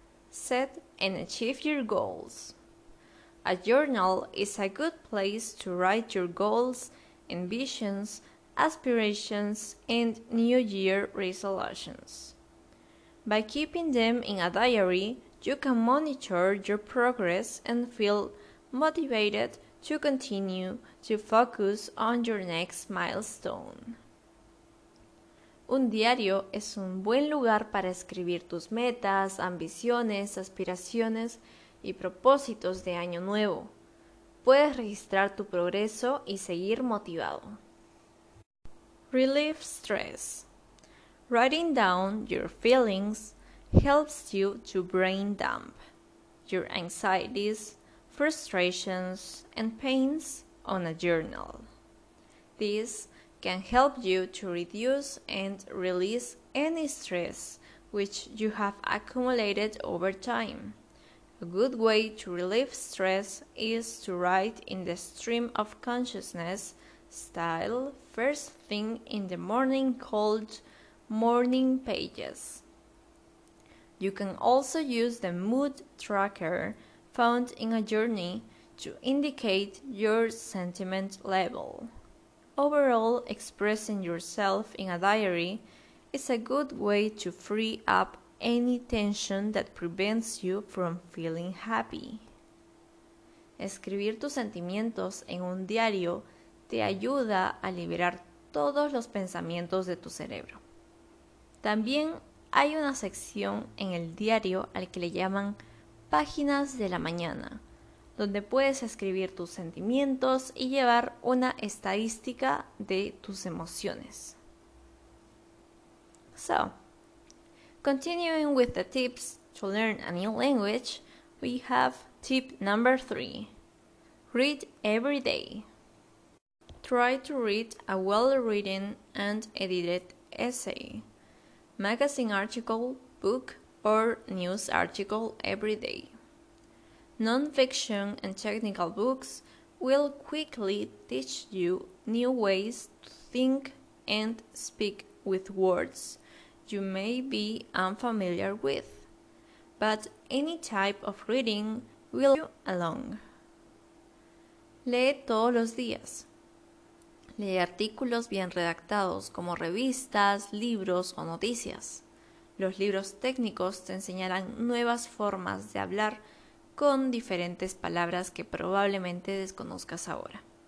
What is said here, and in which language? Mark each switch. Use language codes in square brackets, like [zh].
[en] Set and achieve your goals. A journal is a good place to write your goals, ambitions, aspirations, and New Year resolutions. By keeping them in a diary, you can monitor your progress and feel motivated to continue to focus on your next milestone. [es] Un diario es un buen lugar para escribir tus metas, ambiciones, aspiraciones y propósitos de año nuevo. puedes registrar tu progreso y seguir motivado. [en] Relieve stress. Writing down your feelings helps you to brain dump your anxieties, frustrations, and pains on a journal. This can help you to reduce and release any stress which you have accumulated over time. A good way to relieve stress is to write in the stream of consciousness style first thing in the morning called morning pages. You can also use the mood tracker found in a journey to indicate your sentiment level. Overall, expressing yourself in a diary is a good way to free up any tension that prevents you from feeling happy. [es] Escribir tus sentimientos en un diario te ayuda a liberar todos los pensamientos de tu cerebro. También hay una sección en el diario al que le llaman páginas de la mañana, donde puedes escribir tus sentimientos y llevar una estadística de tus emociones. [en] So, continuing with the tips to learn a new language, we have tip number 3. Read every day. Try to read a well-written and edited essay, magazine article, book, or news article every day. Non-fiction and technical books will quickly teach you new ways to think and speak with words you may be unfamiliar with, but any type of reading will help you along. [es] Lee todos los días. Lee artículos bien redactados como revistas, libros o noticias. Los libros técnicos te enseñarán nuevas formas de hablar con diferentes palabras que probablemente desconozcas ahora.